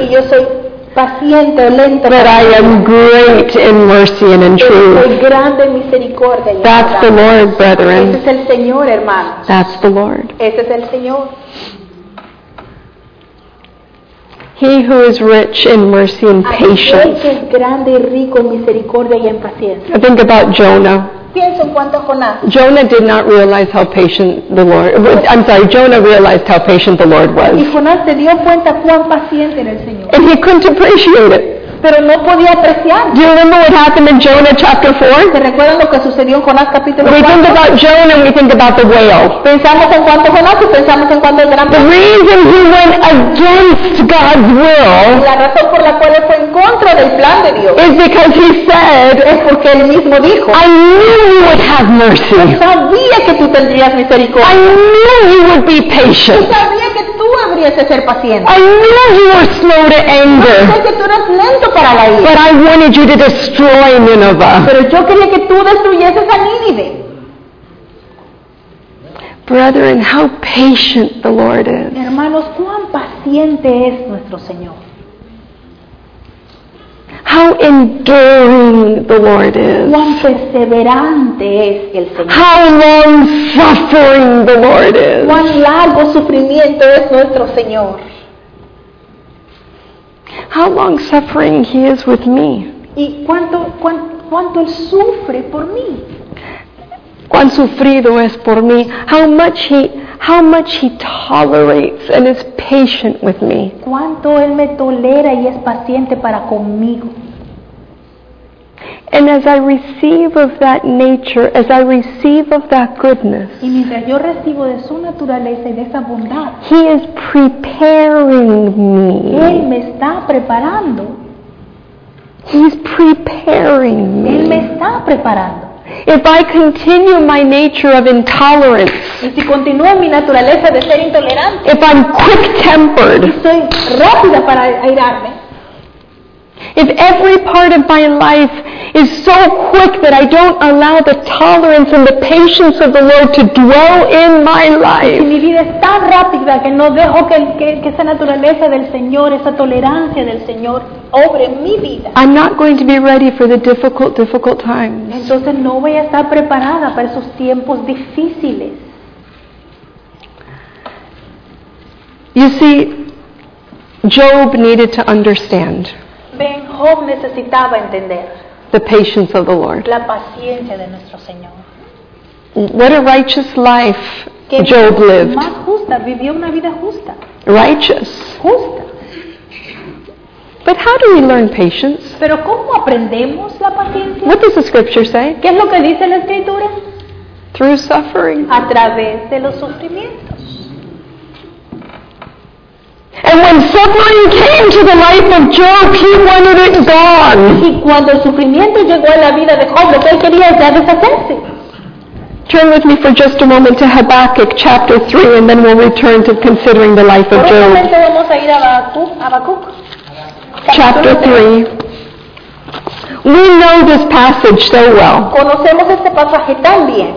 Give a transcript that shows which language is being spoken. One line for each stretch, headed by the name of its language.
Spanish: Y yo soy paciente, lento.
English: But I am great in mercy and in truth.
Spanish: Soy grande en misericordia.
English: That's the Lord, brethren.
Spanish: Ese es el Señor, hermano.
English: That's the Lord.
Spanish: Ese es el Señor.
English: He who is rich in mercy and patience.
Spanish: Aquel que es grande y rico en misericordia y en paciencia.
English: I think about Jonah. Jonah did not realize how patient the Lord. I'm sorry. Jonah realized how patient the Lord was.
Spanish: Y Jonás se dio cuenta cuán paciente era el Señor.
English: And he couldn't appreciate it.
Spanish: Pero no podía apreciar.
English: Do you remember what happened in Jonah chapter 4?
Spanish: ¿Te recuerdan lo que sucedió en Jonás capítulo 4?
English: We think about Jonah and we think about the whale.
Spanish: Pensamos en cuanto a Jonás y pensamos en cuanto al gran pez.
English: The reason he went against God's will.
Spanish: La razón por la cual fue en contra del plan de Dios.
English: Is because he said.
Spanish: Es porque él mismo dijo.
English: I knew you would have mercy.
Spanish: Yo sabía que tú tendrías misericordia.
English: I knew you would be patient.
Spanish: Yo sabía que tú habrías de ser paciente.
English: I knew you were slow to anger.
Spanish: Yo sé que tú eras lento.
English: But I wanted you to destroy Nineveh.
Spanish: Pero yo quería que tú destruyeses a Nínive.
English: Brethren, how patient the Lord is.
Spanish: Hermanos, cuán paciente es nuestro Señor.
English: How enduring the Lord is.
Spanish: Cuán perseverante es el Señor.
English: How long suffering the Lord is.
Spanish: Cuán largo sufrimiento es nuestro Señor.
English: How long suffering he is with me.
Spanish: ¿Y cuánto él sufre por mí? Cuán sufrido es por mí.
English: How much he tolerates and is patient with me.
Spanish: Cuánto él me tolera y es paciente para conmigo.
English: And as I receive of that nature, as I receive of that goodness,
Spanish: y mientras yo recibo de su naturaleza y de esa bondad,
English: He is preparing me.
Spanish: Él me está preparando.
English: He's preparing me.
Spanish: Él me está preparando.
English: If I continue my nature of intolerance,
Spanish: y si continúo mi naturaleza de ser intolerante,
English: if I'm quick-tempered,
Spanish: y soy rápida para airarme,
English: if every part of my life is so quick that I don't allow the tolerance and the patience of the Lord to dwell in my life.
Spanish: Si mi vida es tan rápida que no dejo que esa naturaleza del Señor, esa tolerancia del Señor, obre en mi vida.
English: I'm not going to be ready for the difficult times.
Spanish: Entonces no voy a estar preparada para esos tiempos difíciles.
English: You see, Job needed to understand.
Spanish: Ben, Job necesitaba entender.
English: The patience of the Lord.
Spanish: La paciencia de nuestro Señor.
English: What a righteous life Job lived.
Spanish: Más justa, vivió una vida justa.
English: Righteous.
Spanish: Justa.
English: But how do we learn patience?
Spanish: Pero ¿cómo aprendemos la paciencia?
English: What does the scripture say?
Spanish: ¿Qué es lo que dice la escritura?
English: Through suffering.
Spanish: A través de los sufrimientos.
English: And when suffering came to the life of Job, he wanted it gone.
Spanish: Y cuando el sufrimiento llegó a la vida de Job, lo que él quería era deshacerse.
English: Turn with me for just a moment to Habakkuk chapter 3 and then we'll return to considering the life of Job.
Spanish: Vamos a ir a
English: chapter 3. We know this passage so well.
Spanish: Conocemos este pasaje tan bien.